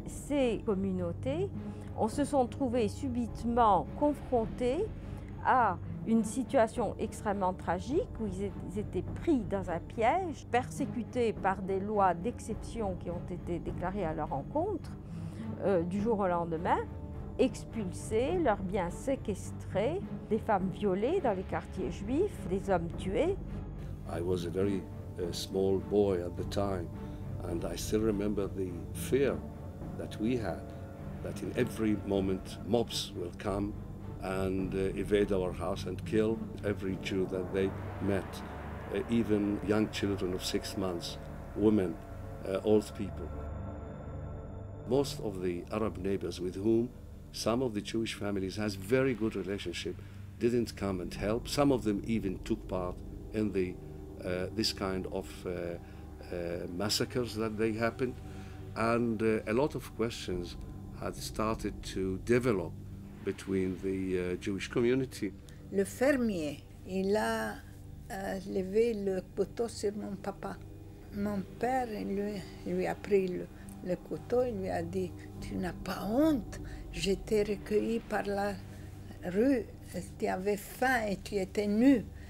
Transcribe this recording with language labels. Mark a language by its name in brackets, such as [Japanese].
[French] Ces communautés se sont trouvées subitement confrontées à une situation extrêmement tragique où ils étaient pris dans un piège, persécutés par des lois d'exception qui ont été déclarées à leur encontre. Du jour au lendemain, expulsés, leurs biens séquestrés, des femmes violées dans les quartiers juifs, des hommes tués. [English] I was a very small boy at the time, and I still remember the fear that we had that in every moment mobs will come and invade our house and kill every Jew that they met, even young children of 6 months, women, old people. Most of the Arab neighbors with whom some of the Jewish families has very good relationship didn't come and help. Some of them even took part in the this kind of massacres that they happened. And a lot of questions had started to develop between the Jewish community. [French] Le fermier, il a levé le couteau sur mon papa. Mon père lui a pris le couteau, il lui a dit, tu n'as pas honte, j'étais recueilli par la rue, tu avais faim et tu étais nu.